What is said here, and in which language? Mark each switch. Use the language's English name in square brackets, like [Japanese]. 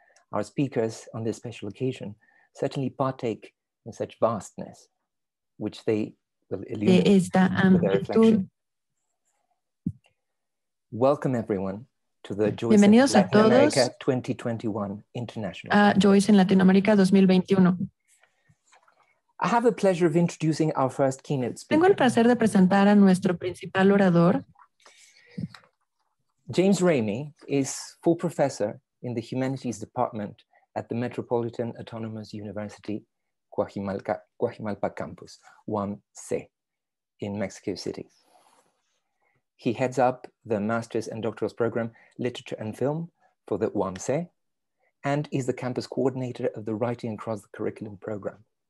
[English] Our speakers on this special occasion certainly partake in such vastness, which they will illuminate with their reflection. Welcome everyone to the Joyce in Latin America 2021 International. Joyce in Latin America 2021. I have the pleasure of introducing our first keynote speaker. [Spanish] Tengo el placer de presentar a nuestro principal orador. [English] James Ramey is full professor in the Humanities Department at the Metropolitan Autonomous University, Cuajimalpa Campus, UAMC, in Mexico City. He heads up the master's and doctoral program, Literature and Film, for the UAMC, and is the campus coordinator of the Writing Across the Curriculum program.